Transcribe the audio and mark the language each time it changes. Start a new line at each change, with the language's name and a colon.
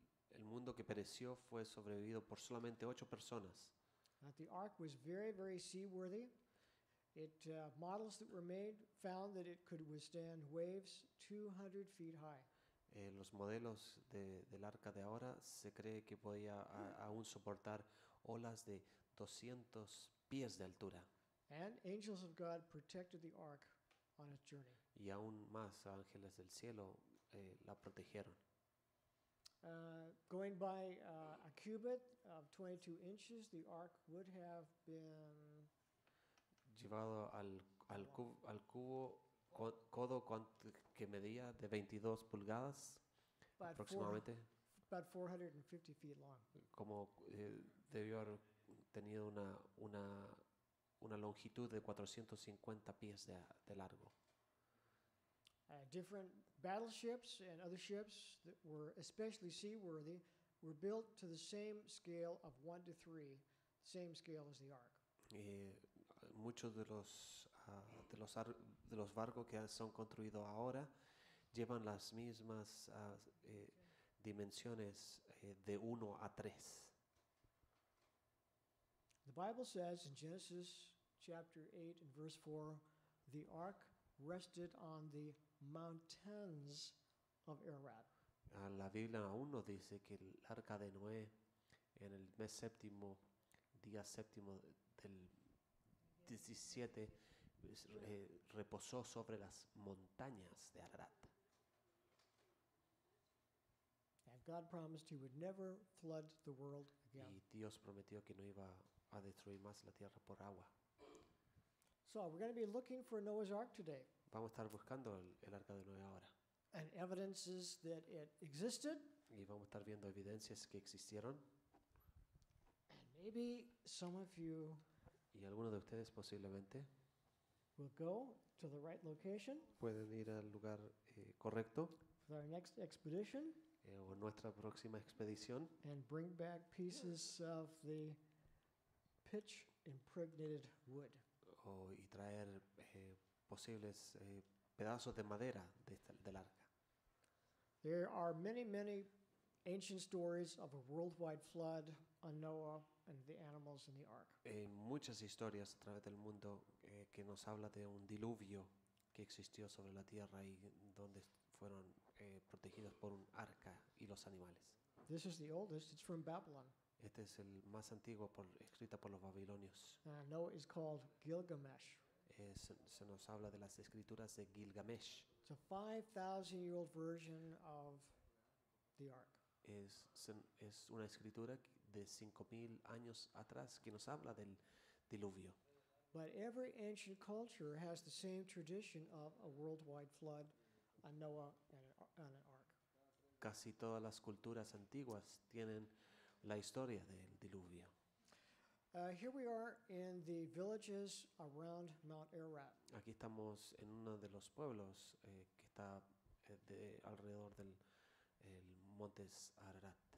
Spanish: El mundo que pereció fue sobrevivido por solamente 8 personas.
English: The ark was very, very seaworthy. It models that were made found that it could withstand waves 200 feet high.
Spanish: Los modelos del arca de ahora se cree que podía aún soportar olas de 200 pies de altura.
English: And angels of God protected the ark. On its journey.
Spanish: Y aún más ángeles del cielo la protegieron.
English: Going by a cubit of 22 inches, the ark would have been
Spanish: llevado al cubo codo que medía de 22 pulgadas,
English: about
Spanish: aproximadamente.
English: About 450 feet long.
Spanish: Como debió haber tenido una una longitud de 450 pies de largo.
English: Different battleships and other ships that were especially seaworthy were built to the same scale of 1 to 3, same scale as the ark.
Spanish: Muchos de los barcos que son construidos ahora llevan las mismas dimensiones de 1 a 3.
English: The Bible says in Genesis chapter 8 and verse 4, the ark rested on the mountains of Ararat.
Spanish: La Biblia aún nos dice que el arca de Noé en el mes séptimo, día séptimo del 17, reposó sobre las montañas de Ararat.
English: And God promised he would never flood the world again.
Spanish: Y Dios prometió que no iba a destruir más la tierra por agua.
English: So we're going to be looking for Noah's ark today.
Spanish: Vamos a estar buscando el arca de Noé ahora.
English: And evidences that it existed.
Spanish: Y vamos a estar viendo evidencias que existieron.
English: And maybe some of you.
Spanish: Y algunos de ustedes posiblemente.
English: Will go to the right location.
Spanish: Pueden ir al lugar correcto.
English: For our next expedition.
Spanish: O nuestra próxima expedición.
English: And bring back pieces of the pitch impregnated wood.
Spanish: Y traer posibles pedazos de madera del arca.
English: There are many, many ancient stories of a worldwide flood on Noah and the animals in the ark.
Spanish: Muchas historias a través del mundo que nos habla de un diluvio que existió sobre la tierra y donde fueron protegidos por un arca y los animales.
English: This is the oldest. It's from Babylon.
Spanish: Este es el más antiguo escrito por los babilonios.
English: Noah is called Gilgamesh.
Spanish: Se nos habla de las escrituras de Gilgamesh.
English: It's a 5,000-year-old version of the ark.
Spanish: Es una escritura de 5,000 años atrás que nos habla del diluvio.
English: But every ancient culture has the same tradition of a worldwide flood on Noah and an ark.
Spanish: Casi todas las culturas antiguas tienen la historia del diluvio.
English: Here we are in the villages around Mount Ararat.
Spanish: Aquí estamos en uno de los pueblos que está alrededor del montes Ararat.